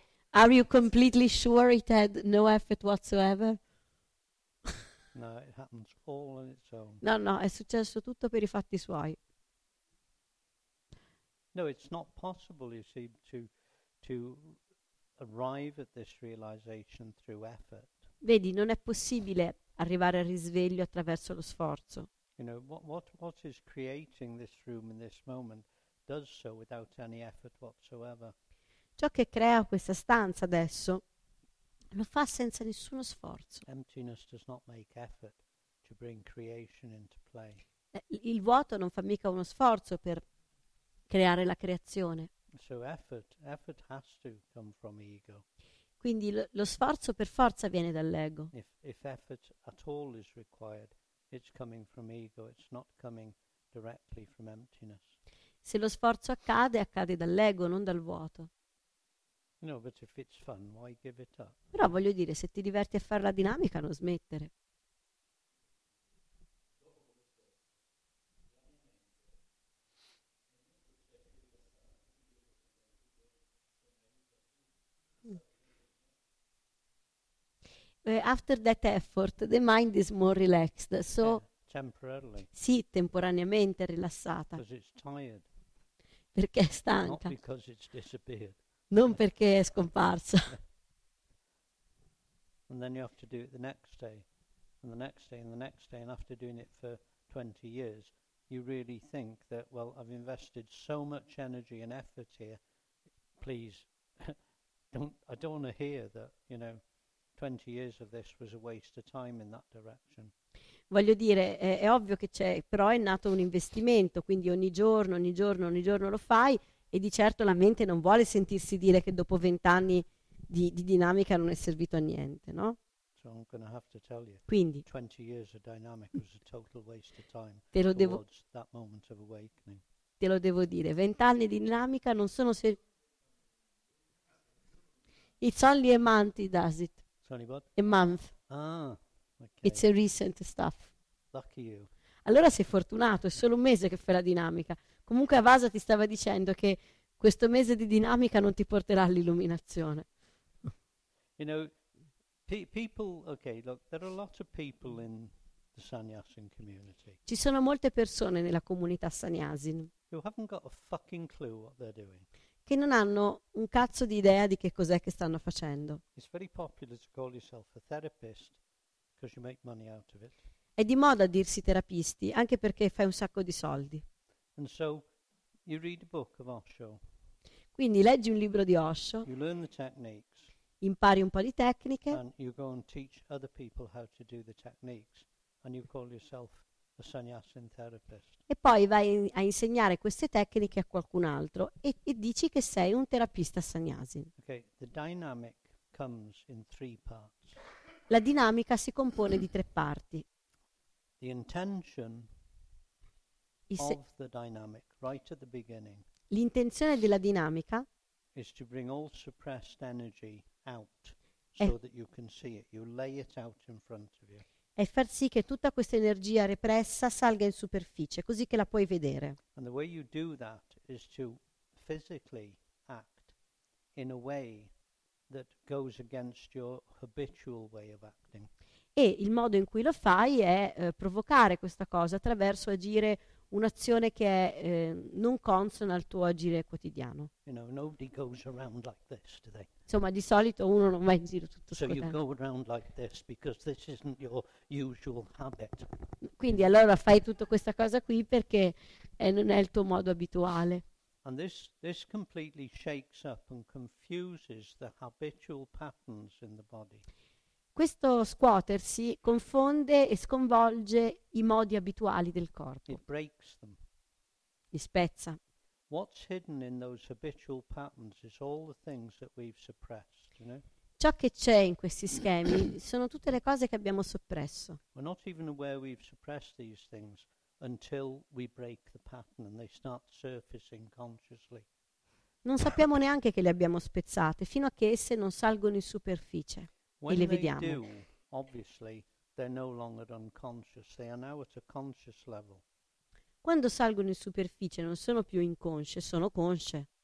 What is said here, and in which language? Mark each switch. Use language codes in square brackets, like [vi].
[en] Are you completely sure it had no effort whatsoever? No, it happens all on its own. [it] No, no, è successo tutto per i fatti suoi. [en] No, it's not possible, you see, to arrive at this realization through effort. [it] Vedi, non è possibile arrivare al risveglio attraverso lo sforzo. [en] You know, what is creating this room in this moment does so without any effort whatsoever. [it] Ciò che crea questa stanza adesso lo fa senza nessuno sforzo. [en] Emptiness does not make effort to bring creation into play. [it] Il vuoto non fa mica uno sforzo per creare la creazione. [en] So effort has to come from ego. [it] Quindi lo sforzo per forza viene dall'ego. [en] If effort at all is required, it's coming from ego, it's not coming directly from emptiness. [it] Se lo sforzo accade, accade dall'ego, non dal vuoto. [en] No, but if it's fun, why give it up? [it] Però voglio dire, se ti diverti a fare la dinamica, non smettere. [en] After that effort, the mind is more relaxed. So, temporarily. [it] Sì, temporaneamente rilassata. [en] Because it's tired. [it] Perché è stanca. [en] Not because it's disappeared. [it] Non perché è scomparsa. [en] And then you have to do it the next day, and the next day, and the next day, and after doing it for 20 years, you really think that, well, I've invested so much energy and effort here, please, I don't want to hear that, you know, 20 years of this was a waste of time in that direction. [it] Voglio dire, è ovvio che c'è, però è nato un investimento, quindi ogni giorno lo fai, e di certo la mente non vuole sentirsi dire che dopo 20 anni di dinamica non è servito a niente, no? [en] So I'm gonna have to tell you, [it] quindi, [en] 20 years of dynamic was a total waste of time [it] te lo devo, [en] towards that moment of awakening. [it] Te lo devo dire, 20 anni di dinamica non sono servito. [en] It's only a month, he does it. It's only what? A month. Ah. Okay. It's a recent stuff. Lucky you. [it] Allora sei fortunato, è solo un mese che fai la dinamica. Comunque Avasa ti stava dicendo che questo mese di dinamica non ti porterà all'illuminazione. [en] You know, people, okay, look, there are a lot of people in the sannyasin community. [it] Ci sono molte persone nella comunità sannyasin. [en] Who haven't got a fucking clue what they're doing. [it] Che non hanno un cazzo di idea di che cos'è che stanno facendo. [en] It's very popular to call yourself a therapist. Because you make money out of it. [it] È di moda dirsi terapisti, anche perché fai un sacco di soldi. [en] And so you read a book of Osho. [it] Quindi leggi un libro di Osho. [en] You learn the techniques. [it] Impari un po' di tecniche. [en] And you go and teach other people how to do the techniques. And you call yourself a sannyasin therapist. [it] E poi vai a insegnare queste tecniche a qualcun altro e dici che sei un terapista sannyasin. [en] Okay, the dynamic comes in three parts. [it] La dinamica si compone di tre parti. [en] The intention of the dynamic, right at the beginning. [it] L'intenzione della dinamica [en] is to bring all suppressed energy out so that you can see it. You lay it out in front of you. [it] È far sì che tutta questa energia repressa salga in superficie, così che la puoi vedere. [en] And the way you do that is to physically act in a way that goes against your habitual way of acting. [it] E il modo in cui lo fai è provocare questa cosa attraverso agire un'azione che è non consona al tuo agire quotidiano. [en] You know, nobody goes around like this, do they? [it] Insomma, di solito uno non va in giro tutto scotendo. [en] So you go around like this because this isn't your usual habit. [it] Quindi allora fai tutta questa cosa qui perché non è il tuo modo abituale. [en] And this completely shakes up and confuses the habitual patterns in the body. [it] Questo scuotersi confonde e sconvolge i modi abituali del corpo. [en] It breaks them. [it] Li spezza. [en] What's hidden in those habitual patterns is all the things that we've suppressed, you know? [it] Ciò che c'è in questi schemi sono tutte le cose che abbiamo soppresso. [en] We're not even aware we've suppressed these things. Until we break the pattern and they start surfacing consciously. [it] Non sappiamo neanche che le abbiamo spezzate fino a che esse non salgono in superficie [en] when [it] e le vediamo. [en] They do, obviously, they're no longer unconscious. They are now at a conscious level. [it] Quando salgono in superficie non sono più inconsce, sono consce.